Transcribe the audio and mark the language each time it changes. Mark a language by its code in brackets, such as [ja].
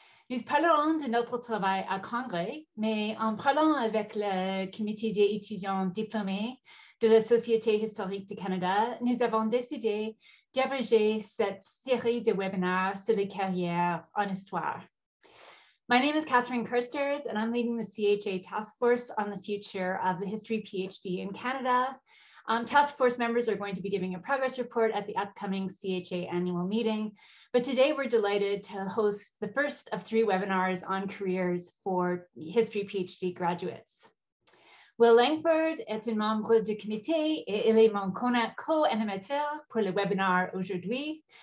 [fr] Nous parlerons de notre travail à Congrès, mais en parlant avec le comité des étudiants diplômés de la Société historique du Canada, nous avons décidé d'abréger cette série de webinaires sur les carrières en histoire. [en] My name is Catherine Kirsters, and I'm leading the CHA Task Force on the Future of the History PhD in Canada. Task Force members are going to be giving a progress report at the upcoming CHA annual meeting, but today we're delighted to host the first of three webinars on careers for History PhD graduates. [fr] Will Langford est un membre du comité et il est mon co-animateur pour le webinar aujourd'hui.